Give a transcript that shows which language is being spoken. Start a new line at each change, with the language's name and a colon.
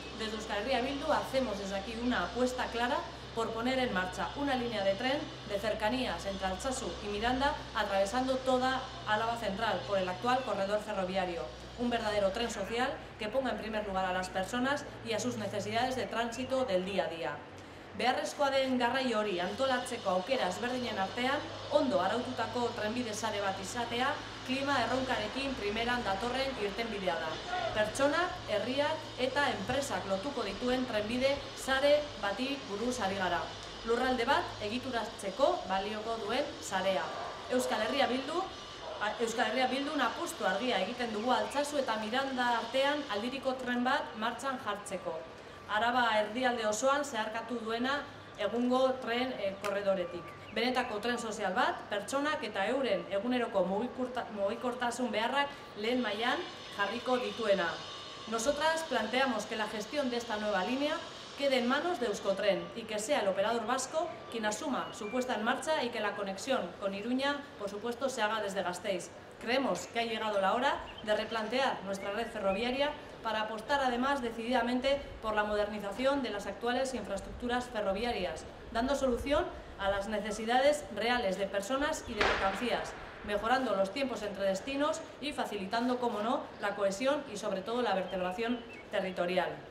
Spanish: Desde Euskal Herria Bildu hacemos desde aquí una apuesta clara por poner en marcha una línea de tren de cercanías entre Altsasu y Miranda, atravesando toda Álava Central por el actual corredor ferroviario. Un verdadero tren social que ponga en primer lugar a las personas y a sus necesidades de tránsito del día a día.
Basque: Beharrezkoa den garraio hori antolatzeko aukera ezberdinen artean, ondo araututako trenbide sare bat izatea, klima erronkarekin primeran datorren irtenbidea da. Pertsona, herriak eta enpresak lotuko dituen trenbide sare bati buruz ari gara. Lurralde bat egituratzeko balioko duen sarea. Euskal Herria Bildu una apustu argia egiten dugu Altsasu eta Miranda artean aldiriko tren bat martxan jartzeko. Araba erdialde osoan zeharkatu duena egungo tren korredoretik. Benetako tren sozial bat, pertsonak eta euren eguneroko mugikortasun beharrak lehen mailan jarriko dituena.
Spanish: Nosotras planteamos que la gestión de esta nueva línea quede en manos de Euskotren y que sea el operador vasco quien asuma su puesta en marcha y que la conexión con Iruña, por supuesto, se haga desde Gasteiz. Creemos que ha llegado la hora de replantear nuestra red ferroviaria para apostar además decididamente por la modernización de las actuales infraestructuras ferroviarias, dando solución a las necesidades reales de personas y de mercancías, mejorando los tiempos entre destinos y facilitando, como no, la cohesión y sobre todo la vertebración territorial.